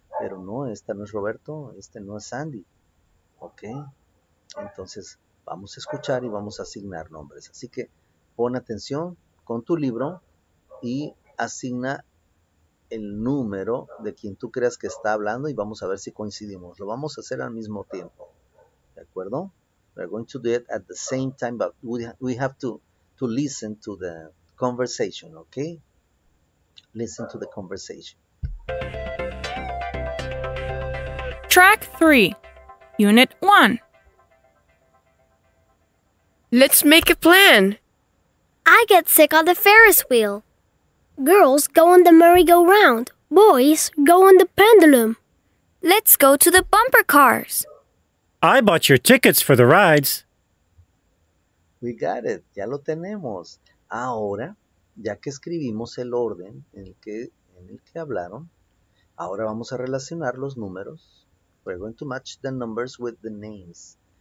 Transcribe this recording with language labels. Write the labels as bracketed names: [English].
[Spanish] Pero no, este no es Roberto, este no es Sandy. ¿Ok? Entonces, vamos a escuchar y vamos a asignar nombres. Así que, pon atención con tu libro y asigna el número de quien tú creas que está hablando y vamos a ver si coincidimos. Lo vamos a hacer al mismo tiempo. ¿De acuerdo? [English] We're going to do it at the same time, but we have to listen to the conversation, okay? Listen to the conversation. Track 3, Unit 1. Let's make a plan. I get sick on the Ferris wheel. Girls go on the merry-go-round. Boys go on the pendulum. Let's go to the bumper cars. I bought your tickets for the rides. We got it. Ya lo tenemos. [Spanish] Ahora, ya que escribimos el orden en el que hablaron, ahora vamos a relacionar los números. [English] We're going to match the numbers with the names.